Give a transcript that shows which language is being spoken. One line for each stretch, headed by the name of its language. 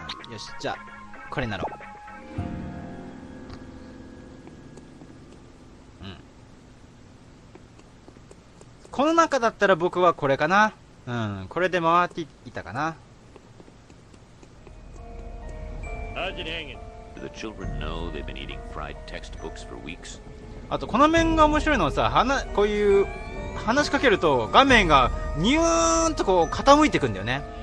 Japanese: よし、じゃあこれなろう。うん、この中だったら僕はこれかな。うん、これで回っていたかな。
English: The children know they've been eating fried textbooks for weeks.
Japanese: あとこの面が面白いのはさ、こういう話しかけると画面がニューンとこう傾いていくんだよね。